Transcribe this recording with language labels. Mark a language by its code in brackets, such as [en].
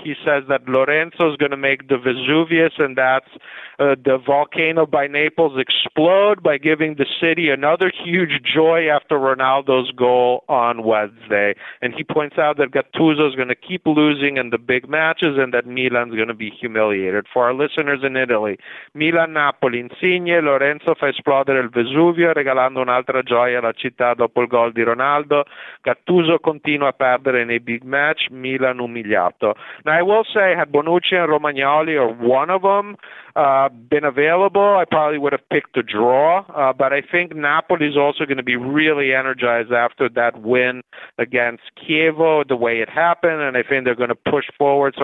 [en] He says that Lorenzo is going to make the Vesuvius, and that's the volcano by Naples, explode by giving the city another huge joy after Ronaldo's goal on Wednesday. And he points out that Gattuso is going to keep losing in the big matches and that Milan's going to be humiliated. For our listeners in Italy, [it] Milan-Napoli, Insigne, Lorenzo fa esplodere il Vesuvio, regalando un'altra gioia alla città dopo il gol di Ronaldo. Gattuso continua a perdere nei big match, Milan umiliato. [en] Now, I will say, had Bonucci and Romagnoli, or one of them, been available, I probably would have picked a draw, but I think Napoli is also going to be really energized after that win against Chievo, the way it happened, and I think they're going to push forward.